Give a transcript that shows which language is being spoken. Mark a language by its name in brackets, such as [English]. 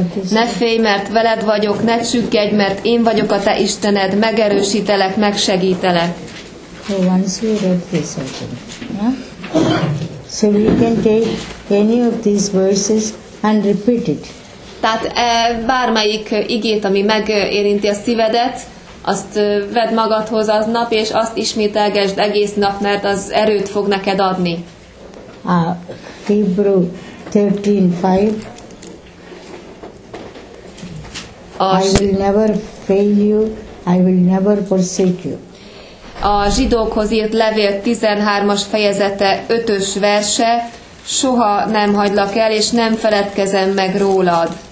[Hungarian] Ne félj, mert veled vagyok, ne csüggedj, mert én vagyok a te Istened, megerősítelek, megsegítelek. [English] So once we read this, okay. So we can take any of these verses and repeat it. [Hungarian] Tehát bármelyik igét, ami megérinti a szívedet, azt vedd magadhoz az nap, és azt ismételgesd egész nap, mert az erőt fog neked adni. [English] Hebrew 13:5. I will never fail you, I will never forsake you. [Hungarian] A zsidókhoz írt levél 13-as fejezete, 5-ös verse, soha nem hagylak el, és nem feledkezem meg rólad.